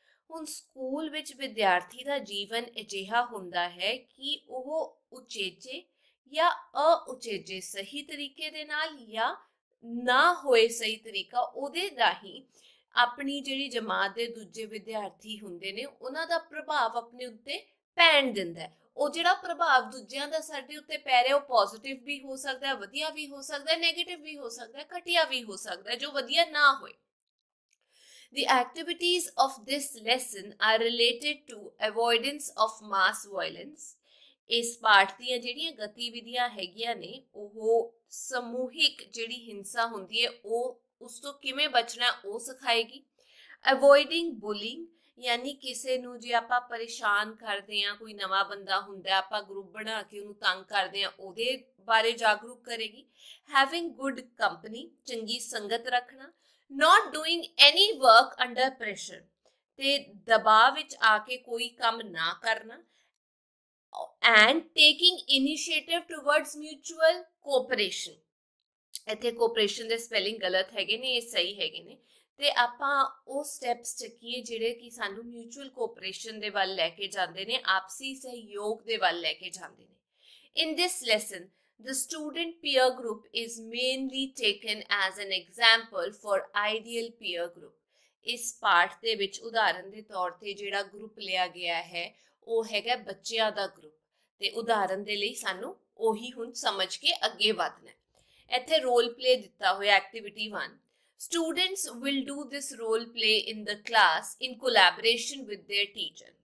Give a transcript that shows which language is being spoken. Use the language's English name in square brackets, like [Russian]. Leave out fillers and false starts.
[Punjabi] ਹੁਣ ਸਕੂਲ ਵਿੱਚ ਵਿਦਿਆਰਥੀ ਦਾ ਜੀਵਨ ਅਜਿਹਾ ਹੁੰਦਾ ਹੈ ਕਿ ਉਹ ਉਚੇਚੇ ਜਾਂ ਅਉਚੇਚੇ ਸਹੀ ਤਰੀਕੇ ਦੇ ਨਾਲ ਜਾਂ ਨਾ ਹੋਏ ਸਹੀ ਤਰੀਕਾ ਉਹਦੇ ਰਾਹੀਂ ਆਪਣੀ ਜਿਹੜੀ ਜਮਾਤ ਦੇ ਦੂਜੇ ਵਿਦਿਆਰਥੀ ਹੁੰਦੇ ਨੇ ਉਹਨਾਂ ਦਾ ਪ੍ਰਭਾਵ ਆਪਣੇ ਉੱਤੇ ਪੈਣ ਦਿੰਦਾ। ਉਹ ਜਿਹੜਾ ਪ੍ਰਭਾਵ ਦੂਜਿਆਂ ਦਾ ਸਾਡੇ ਉੱਤੇ ਪੈ ਰਿਹਾ ਉਹ ਪੋਜ਼ਿਟਿਵ ਵੀ ਹੋ ਸਕਦਾ, ਵਧੀਆ ਵੀ ਹੋ ਸਕਦਾ, ਨੈਗੇਟਿਵ ਵੀ ਹੋ ਸਕਦਾ, ਘਟੀਆ ਵੀ ਹੋ ਸਕਦਾ, ਜੋ ਵਧੀਆ ਨਾ ਹੋਏ। [English] The activities of this lesson are related to avoidance of mass violence. [Punjabi] ਇਸ ਪਾਠ ਦੀਆਂ ਜਿਹੜੀਆਂ ਗਤੀਵਿਧੀਆਂ ਹੈਗੀਆਂ ਨੇ ਉਹ ਸਮੂਹਿਕ ਜਿਹੜੀ ਹਿੰਸਾ ਹੁੰਦੀ ਹੈ ਉਹ ਉਸ ਤੋਂ ਕਿਵੇਂ ਬਚਣਾ ਉਹ ਸਿਖਾਏਗੀ। [English] avoiding bullying, [Punjabi] ਯਾਨੀ ਕਿਸੇ ਨੂੰ ਜੇ ਆਪਾਂ ਪਰੇਸ਼ਾਨ ਕਰਦੇ ਹਾਂ, ਕੋਈ ਨਵਾਂ ਬੰਦਾ ਹੁੰਦਾ ਆਪਾਂ ਗਰੁੱਪ ਬਣਾ ਕੇ ਉਹਨੂੰ ਤੰਗ ਕਰਦੇ ਹਾਂ, ਉਹਦੇ ਬਾਰੇ ਜਾਗਰੂਕ ਕਰੇਗੀ। [English] having good company, [Punjabi] ਚੰਗੀ ਸੰਗਤ ਰੱਖਣਾ। [English] not doing any work under pressure, [Punjabi] ਤੇ ਦਬਾਅ ਵਿੱਚ ਆ ਕੇ ਕੋਈ ਕੰਮ ਨਾ ਕਰਨਾ। [English] And taking initiative towards mutual cooperation. [Punjabi] ਇੱਥੇ ਕੋਆਪਰੇਸ਼ਨ ਦੇ ਸਪੈਲਿੰਗ ਗਲਤ ਹੈਗੇ ਨੇ, ਇਹ ਸਹੀ ਹੈਗੇ ਨੇ। ਤੇ ਆਪਾਂ ਉਹ ਸਟੈਪਸ ਚੱਕੀਏ ਜਿਹੜੇ ਕਿ ਸਾਨੂੰ ਮਿਊਚੁਅਲ ਕੋਆਪਰੇਸ਼ਨ ਦੇ ਵੱਲ ਲੈ ਕੇ ਜਾਂਦੇ ਨੇ, ਆਪਸੀ ਸਹਿਯੋਗ ਦੇ ਵੱਲ ਲੈ ਕੇ ਜਾਂਦੇ ਨੇ। [English] In this lesson The student peer group is mainly taken as an example for ideal peer group. [Punjabi] ਇਸ ਪਾਠ ਦੇ ਵਿੱਚ ਉਦਾਹਰਨ ਦੇ ਤੌਰ ਤੇ ਜਿਹੜਾ ਗਰੁੱਪ ਲਿਆ ਗਿਆ ਹੈ ਉਹ ਹੈਗਾ ਬੱਚਿਆਂ ਦਾ ਗਰੁੱਪ, ਤੇ ਉਦਾਹਰਨ ਦੇ ਲਈ ਸਾਨੂੰ ਉਹੀ ਹੁਣ ਸਮਝ ਕੇ ਅੱਗੇ ਵਧਣਾ। ਇੱਥੇ ਰੋਲ ਪਲੇ ਦਿੱਤਾ ਹੋਇਆ। [English] Activity 1, students will do this role play in the class in collaboration with their teacher.